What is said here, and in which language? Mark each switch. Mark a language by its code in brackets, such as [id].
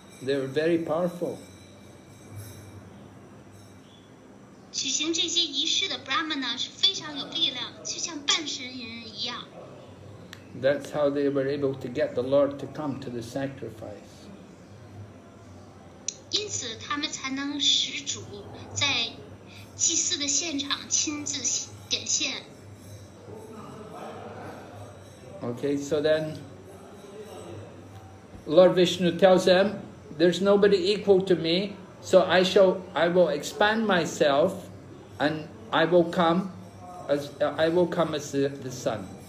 [en] They were very powerful. [zh] 举行这些仪式的 brahmana 是非常有力量，就像半神人一样。 [en] That's how they were able to get the Lord to come to the sacrifice. [zh] 因此，他们才能使主在祭祀的现场亲自显现。 [en] Okay, so then Lord Vishnu tells them, there's nobody equal to me, so I will expand myself and I will come as the sun.